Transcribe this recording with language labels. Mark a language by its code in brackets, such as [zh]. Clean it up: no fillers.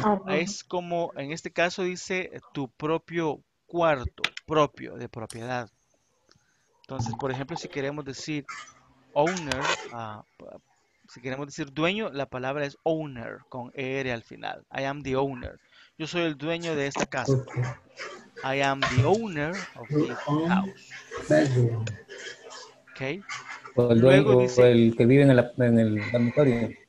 [es] Es como en este caso dice tu propio cuarto, propio, de propiedad. Entonces, por ejemplo, si queremos decir owner, si queremos decir dueño, la palabra es owner con er al final. [en] I am the owner. [es] Yo soy el dueño de esta casa. [en] Okay. I am the owner of the house. Bedroom. Okay. [es] O el dueño, luego dice, o el que vive en el dormitorio.